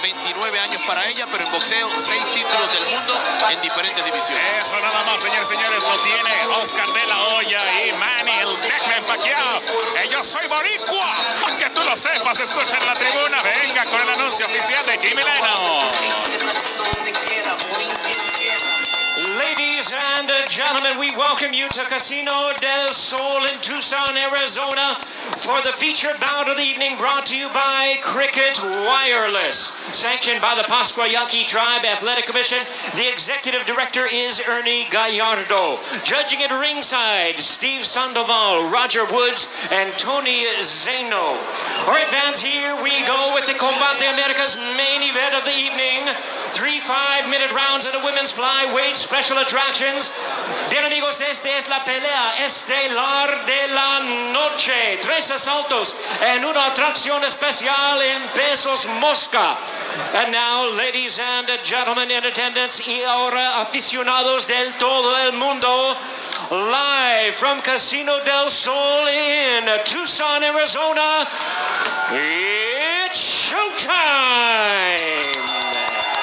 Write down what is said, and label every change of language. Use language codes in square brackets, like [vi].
[es] 29 años para ella, pero en boxeo 6 títulos del mundo en diferentes divisiones. Eso nada más, señores, señores, lo tiene Oscar de la Hoya y Manny, el Beckman Pacquiao. Yo soy boricua, para que tú lo sepas, escucha en la tribuna. Venga con el anuncio oficial de Jimmy Leno. [en] Ladies and gentlemen, we welcome you to Casino del Sol in Tucson, Arizona, for the feature bout of the evening brought to you by Cricket Wireless. Sanctioned by the Pascua Yaqui Tribe Athletic Commission, the executive director is Ernie Gallardo. Judging at ringside, Steve Sandoval, Roger Woods, and Tony Zeno. Our advance, here we go with the Combate America's main event of the evening. 3 5-minute rounds in a women's flyweight special attractions. [es] Bien amigos, esta es la pelea estelar de la noche. Tres asaltos en una atracción especial en pesos mosca. [en] And now, ladies and gentlemen in attendance, [es] y ahora aficionados del todo el mundo, [en] live from Casino del Sol in Tucson, Arizona, it's showtime!